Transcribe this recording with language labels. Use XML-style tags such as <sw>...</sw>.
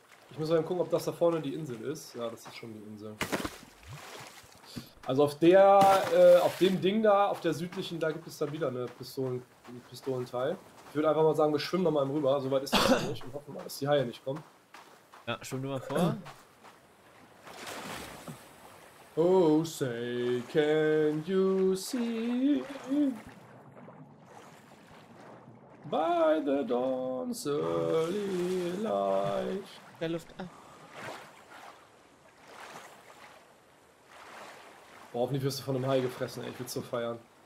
<de>Ich muss mal gucken, ob das da vorne die Insel ist. Ja, das ist schon die Insel. Also auf dem Ding da, auf der südlichen, da gibt es dann wieder ein Pistolenteil. Ich würde einfach mal sagen, wir schwimmen nochmal rüber. So weit ist das noch nicht. Und hoffen mal, dass die Haie nicht kommen. Ja, schwimm du mal vor.</de> <en>Oh, say, can you see by the dawn's early light? Der Luft an.</en> <de>Boah, hoffentlich wirst du von einem Hai gefressen, ey. Ich will es so feiern.</de>